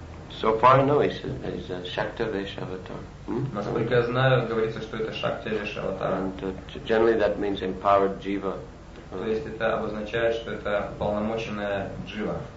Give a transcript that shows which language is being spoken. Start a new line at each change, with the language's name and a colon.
English: So far, no, he's a Shakta Veshavatar.
Russian: Насколько я знаю, говорится, что это Шакти Вешаватар.
English: And generally that means empowered Jiva.
Russian: То есть это обозначает, что это полномоченная джива.